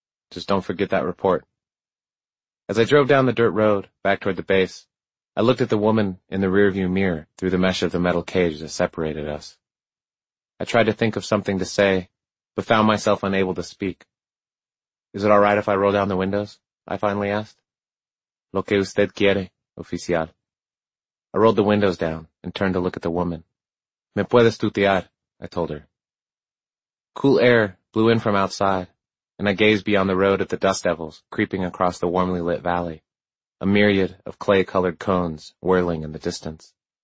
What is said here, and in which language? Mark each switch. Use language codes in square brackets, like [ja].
[en] "Just don't forget that report." As I drove down the dirt road back toward the base, I looked at the woman in the rearview mirror through the mesh of the metal cage that separated us. I tried to think of something to say, but found myself unable to speak. "Is it all right if I roll down the windows?" I finally asked. [es] "Lo que usted quiere, oficial." [en] I rolled the windows down and turned to look at the woman. [es] "Me puedes tutear," [en] I told her. Cool air blew in from outside, and I gazed beyond the road at the dust devils creeping across the warmly lit valley, a myriad of clay-colored cones whirling in the distance.